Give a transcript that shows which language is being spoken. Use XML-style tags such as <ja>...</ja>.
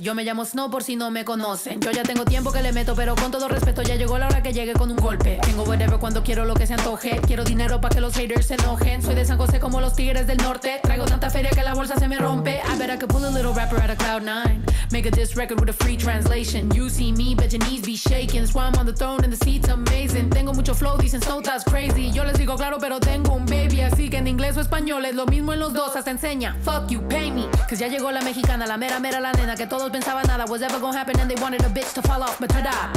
<es>Yo me llamo Snow por si no me conocen. Yo ya tengo tiempo que le meto, pero con todo respeto ya llegó la hora que llegue con un golpe. Tengo whatever cuando quiero lo que se antoje. Quiero dinero para que los haters se enojen. Soy de San José como los tigres del norte. Traigo tanta feria que la bolsa se me rompe.</es> <en>I bet I could pull a little rapper out of cloud nine. Make a diss record with a free translation. You see me, bet your knees be shaking. That's why I'm on the throne and the seat's amazing.</en> <es>Tengo mucho flow, dicen Snow</es> <en>that's crazy.</en> <es>Yo les digo claro, pero tengo un baby. Así que en inglés o español es lo mismo en los dos. Hasta enseña,</es> <en>fuck you, pay me.</en> <es>Cause ya llegó la mexicana, la mera mera la nena. Que todos pensaban nada</es> <en>was ever gonna happen. And they wanted a bitch to fall off, but ta-da.</en>